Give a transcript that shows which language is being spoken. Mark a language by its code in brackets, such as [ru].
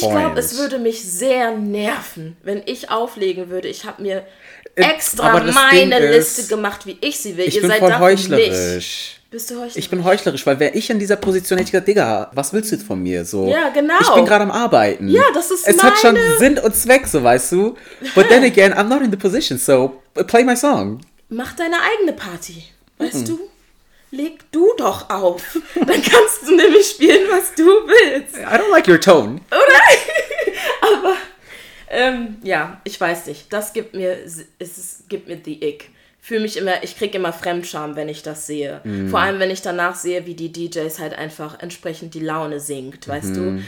[de] Ich glaube, es würde mich sehr nerven, wenn ich auflegen würde. Ich habe mir extra meine Liste gemacht, wie ich sie will. Ich bin voll heuchlerisch. Bist du heuchlerisch? Ich bin heuchlerisch, weil wäre ich in dieser Position, hätte ich gesagt, Digga, was willst du jetzt von mir? So, ja, genau. Ich bin gerade am Arbeiten. Ja, das ist es meine... Es hat schon Sinn und Zweck, so weißt du. [en] But then again, I'm not in the position, so play my song. [de] Mach deine eigene Party, weißt du? Leg du doch auf. Dann kannst du nämlich spielen, was du willst. [en] I don't like your tone. [de] Oder? Aber, ja, ich weiß nicht. Das gibt mir, gibt mir die Ick. Ich kriege immer Fremdscham, wenn ich das sehe. Mm. Vor allem, wenn ich danach sehe, wie die DJs halt einfach entsprechend die Laune sinkt, weißt du?